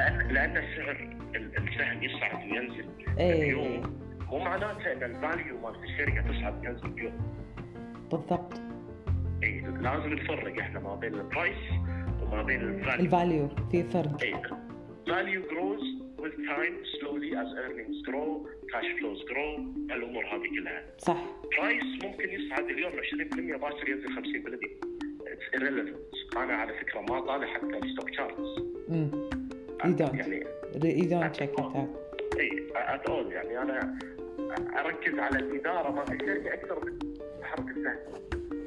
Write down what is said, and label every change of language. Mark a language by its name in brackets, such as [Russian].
[Arabic] لأن السعر السهم يصعد وينزل. مو معناته أن الفاليو مال الشركة تصعد وينزل بيوم. بالضبط. إيه لازم نفرق إحنا ما بين البرايس وما بين الفاليو. الفاليو في فرق. [English] الفاليو grows with time slowly as earnings grow, cash flows grow. [Arabic] الأمور هذه كلها. صح. برايس ممكن يصعد اليوم 20% باكر ينزل 50%. [English] It's irrelevant. [Arabic] أنا على فكرة ما طالع حتى الستوك تشارتس. [English] You don't check it out. [Arabic] إيه [English] at all [Arabic] يعني أنا أركز على الإدارة ما أشيل أكثر من حركة الفاليو.